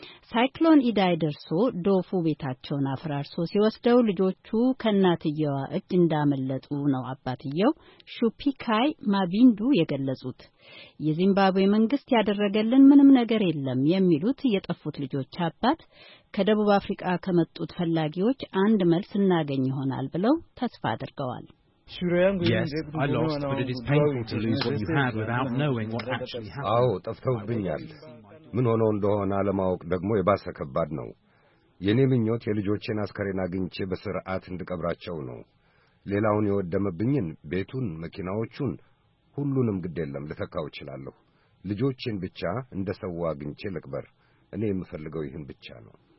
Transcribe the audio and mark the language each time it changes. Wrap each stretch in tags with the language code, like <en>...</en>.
<am>ሳይክሎን ኢዳይ ደርሶ ዶፉ ቤታቸውን አፍራርሶ ሲወስደው ልጆቹ ከእናትየዋ እጅ እንዳመለጡ ነው አባትየው ሹፒካይ ማቢንዱ የገለጹት። የዚምባብዌ መንግስት ያደረገልን ምንም ነገር የለም የሚሉት የጠፉት ልጆች አባት ከደቡብ አፍሪካ ከመጡት ፈላጊዎች አንድ መልስ እናገኝ ይሆናል ብለው ተስፋ አድርገዋል።</am> <en>Yes, I lost, but it is painful to lose what you had without knowing what actually happened.</en> <am>Oh, ተፈውብኛል። ምን ሆኖ እንደሆነ አለማወቅ ደግሞ የባሰ ከባድ ነው። የኔ ምኞት የልጆቼን አስከሬን አግኝቼ በስርዓት እንድቀብራቸው ነው። ሌላውን የወደመብኝን ቤቱን፣ መኪናዎቹን፣ ሁሉንም ግዴለም ልተካው እችላለሁ። ልጆቼን ብቻ እንደሰው አግኝቼ ልቅበር። እኔ የምፈልገው ይህን ብቻ ነው።</am>